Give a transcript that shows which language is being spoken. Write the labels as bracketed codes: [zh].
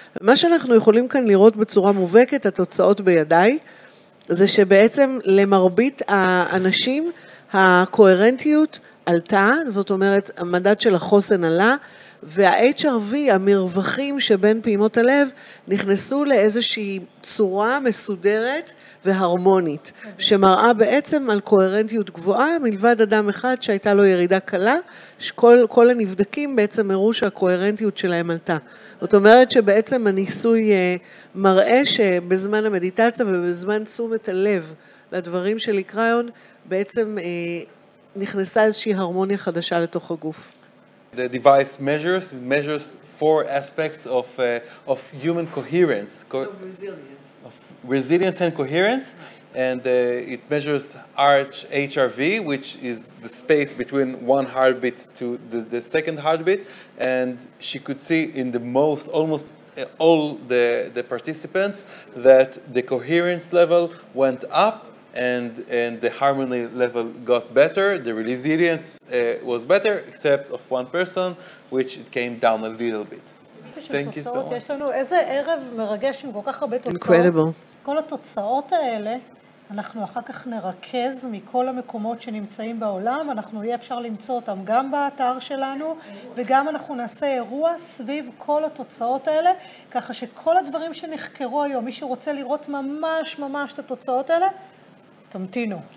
[he] מה שאנחנו יכולים כאן לראות בצורה מובהקת, התוצאות בידיי, זה שבעצם למרבית האנשים הקוהרנטיות עלתה, זאת אומרת, המדד של החוסן עלה, וה-HRV, המרווחים שבין פעימות הלב, נכנסו לאיזושהי צורה מסודרת והרמונית, שמראה בעצם על קוהרנטיות גבוהה, מלבד אדם אחד שהייתה לו ירידה קלה, שכל הנבדקים בעצם הראו שהקוהרנטיות שלהם עלתה. זאת אומרת שבעצם הניסוי מראה שבזמן המדיטציה ובזמן תשומת הלב לדברים של קריון, בעצם נכנסה איזושהי הרמוניה חדשה לתוך הגוף. [en] The device measures four aspects of human coherence. Of resilience and coherence. And it measures arch HRV, which is the space between one heartbeat to the second heartbeat. And she could see in the most, almost all the participants, that the coherence level went up. And the harmony level got better, the resilience was better, except of one person, which it came down a little bit. Thank you so much. [he] יש לנו איזה ערב מרגש עם כל כך הרבה תוצאות. [en] Incredible. [he] כל התוצאות האלה, אנחנו אחר כך נרכז מכל המקומות שנמצאים בעולם, אנחנו יהיה אפשר למצוא אותם גם באתר שלנו, וגם אנחנו נעשה אירוע סביב כל התוצאות האלה, ככה שכל הדברים שנחקרו היום, מי שרוצה לראות ממש ממש את התוצאות האלה, תמתינו.